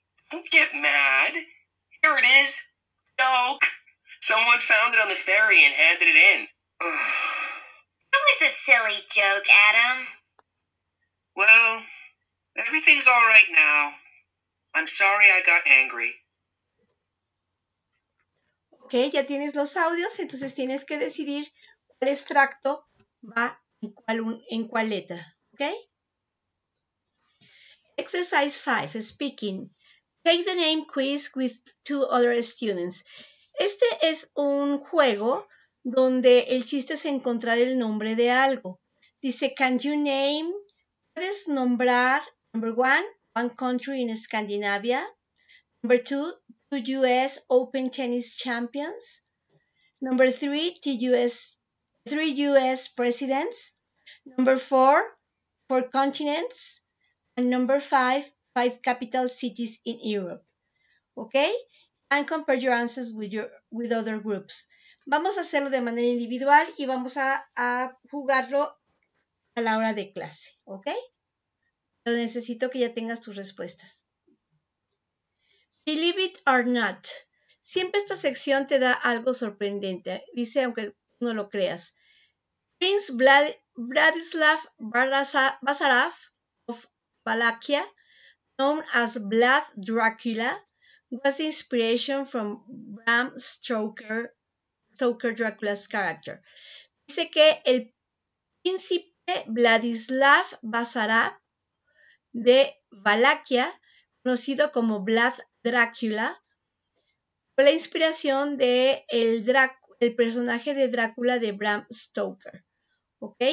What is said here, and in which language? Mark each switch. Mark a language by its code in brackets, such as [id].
[en] Don't get mad. Here it is. Joke. Someone found it on the ferry and handed it in. Ugh. That was a silly joke, Adam. Well, everything's all right now. I'm sorry I got angry. [es] Okay, ya tienes los audios, entonces tienes que decidir cuál extracto va en cuál letra, okay? [en] Exercise 5, speaking. Take the name quiz with two other students. [es] Este es un juego donde el chiste es encontrar el nombre de algo. Dice, [en] can you name, [es] puedes nombrar, [en] number one, one country in Scandinavia. Number two, two U.S. Open Tennis Champions. Number three, three U.S. Presidents. Number four, four continents. And number five, five capital cities in Europe. Okay? And compare your answers with other groups. [es] Vamos a hacerlo de manera individual y vamos a jugarlo a la hora de clase. Okay? Pero necesito que ya tengas tus respuestas. [en] Believe it or not. [es] Siempre esta sección te da algo sorprendente. Dice, aunque no lo creas. [en] Prince Vladislav Basarov of Wallachia, known as Vlad Dracula, was the inspiration from Bram Stoker Dracula's character. [es] Dice que el príncipe Vladislav Basarov de Wallachia, conocido como Vlad Dracula, fue la inspiración de el personaje de Drácula de Bram Stoker. ¿Ok?